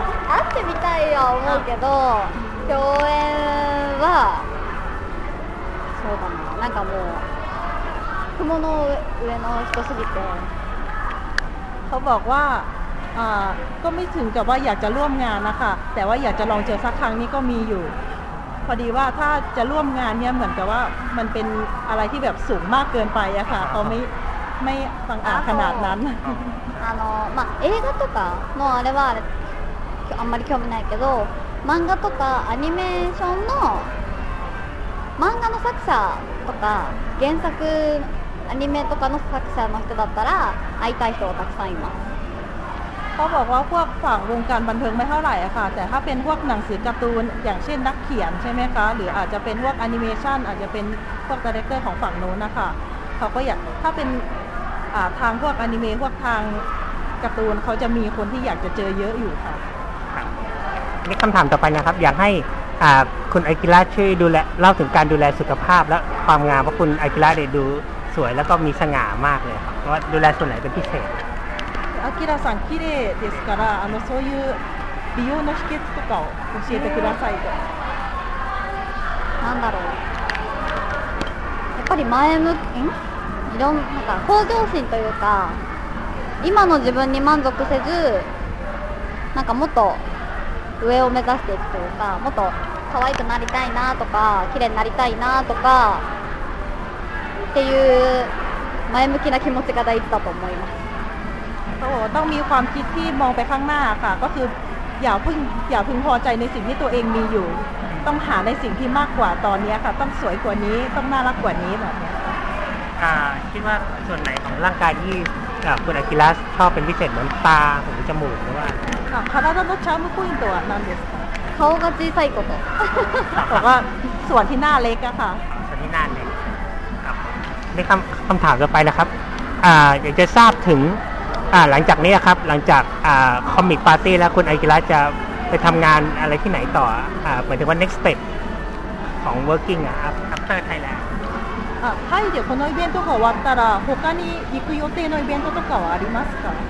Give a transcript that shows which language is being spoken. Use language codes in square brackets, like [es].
[ja] 会ってみたいよ思うけど共演はそうだななんかもう雲の上の人すぎて [th] เขาบอกว่าก็ไม่ถึงกับว่าอยากจะร่วมงานนะคะแต่ว่าอยากจะลองเจอสักครั้งนี้ก็มีอยู่พอดีว่าถ้าจะร่วมงานเนี่ยเหมือนกับว่ามันเป็นอะไรที่แบบสูงมากเกินไปอะค่ะเขาไม่ฟังอ่านขนาดนั้น [ja] まあ映画とかのあれはあんまり興味ないけど漫画とかアニメーションの漫画の作者とか原作アニメとかの作者の人だったら会いたい人がたくさんいます [th] เขาบอกว่าพวกฝั่งวงการบันเทิงไม่เท่าไหร่อะค่ะแต่ถ้าเป็นพวกหนังสือการ์ตูนอย่างเช่นนักเขียนใช่ไหมคะหรืออาจจะเป็นพวกแอนิเมชันอาจจะเป็นพวกดีเรคเตอร์ของฝั่งโน้นนะคะเขาก็อยากถ้าเป็นทางพวกแอนิเมพวกทางการ์ตูนเขาจะมีคนที่อยากจะเจอเยอะอยู่ค่ะ นี่คำถามต่อไปนะครับอยากให้คุณอากิระช่วยดูแลเล่าถึงการดูแลสุขภาพและความงามเพราะคุณอากิระเนี่ยดูสวยแล้วก็มีสง่ามากเลยว่าดูแลส่วนไหนเป็นพิเศษ [ja] アキラさん綺麗ですから、そういう美容の秘訣とかを教えてくださいと。なんだろう。やっぱり前向き、いろんなんか向上心というか、今の自分に満足せず、なんかもっと上を目指していくというか、もっと可愛くなりたいなとか、綺麗になりたいなとか、っていう前向きな気持ちが大事だと思います。 [th] ต้องมีความคิดที่มองไปข้างหน้าค่ะก็คืออย่าพึงพอใจในสิ่งที่ตัวเองมีอยู่ต้องหาในสิ่งที่มากกว่าตอนนี้ค่ะต้องสวยกว่านี้ต้องน่ารักกว่านี้แบบนี้ค่ะคิดว่าส่วนไหนของร่างกายที่คุณอากิระชอบเป็นพิเศษเหมือนตาหูจมูกหรือว่า ค่ะคาราโตะชามุคุอินโตะนั่นเอง ค่ะโต๊ะก็จีไซโกโตะ แต่ว่าส่วนที่หน้าเล็กอะค่ะ ส่วนที่หน้าเล็กครับในคำถามต่อไปนะครับอยากจะทราบถึงหลังจากนี้ครับหลังจากคอมิกปาร์ตี้แล้วคุณอากิระจะไปทำงานอะไรที่ไหนต่อเหมือนถึงว่า next step ของ working อ่ะ [en] after Thailand [ja] はい、でこのイベントが終わったら他に行く予定のイベントとかはありますか？